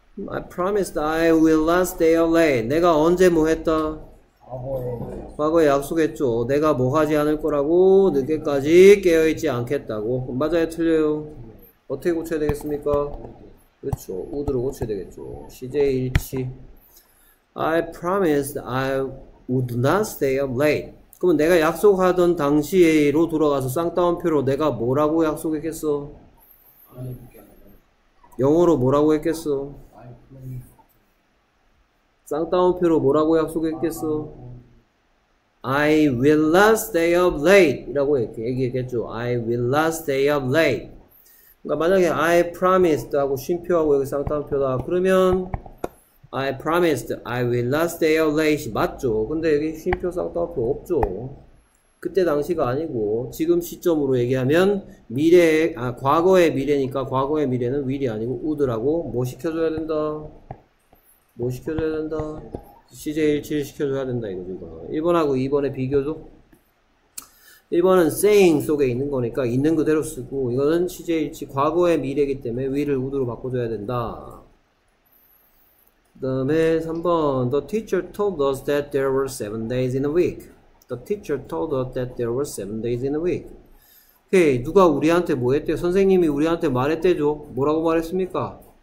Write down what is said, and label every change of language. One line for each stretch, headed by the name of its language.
English: I promised I will not stay up late.
Korean: 내가 언제 뭐 했다? 과거에 약속했죠. 내가 뭐 하지 않을 거라고? 늦게까지 깨어있지 않겠다고. 맞아요, 틀려요? 어떻게 고쳐야 되겠습니까? 그렇죠. 우드로 고쳐야 되겠죠. 시제 일치.
English: I promised I would not stay up late.
Korean: 그러면 내가 약속하던 당시로 돌아가서 쌍따옴표로 내가 뭐라고 약속했겠어? 영어로 뭐라고 했겠어? 쌍따옴표로 뭐라고 약속했겠어?
English: I will not stay up late
Korean: 라고 얘기했겠죠.
English: I will not stay up late.
Korean: 그러니까 만약에
English: I promised
Korean: 하고 쉼표하고 여기 쌍따옴표다. 그러면
English: I promised I will not stay up late.
Korean: 맞죠? 근데 여기 쉼표 쌍따옴표 없죠? 그때 당시가 아니고 지금 시점으로 얘기하면 미래의 아 과거의 미래니까 과거의 미래는 will이 아니고 would라고 뭐 시켜줘야 된다? 뭐 시켜줘야 된다? 시제 일치를 시켜줘야 된다 이거죠 이거. 1번하고 2번의 비교죠? 1번은 saying 속에 있는 거니까 있는 그대로 쓰고 이거는 시제 일치 과거의 미래이기 때문에 will을 would로 바꿔줘야 된다. 그다음에 3번
English: The teacher told us that there were 7 days in a week. The teacher told us that there were 7 days in a week.
Korean: 오케이 누가 우리한테 뭐 했대요? 선생님이 우리한테 말했대죠. 뭐라고 말했습니까?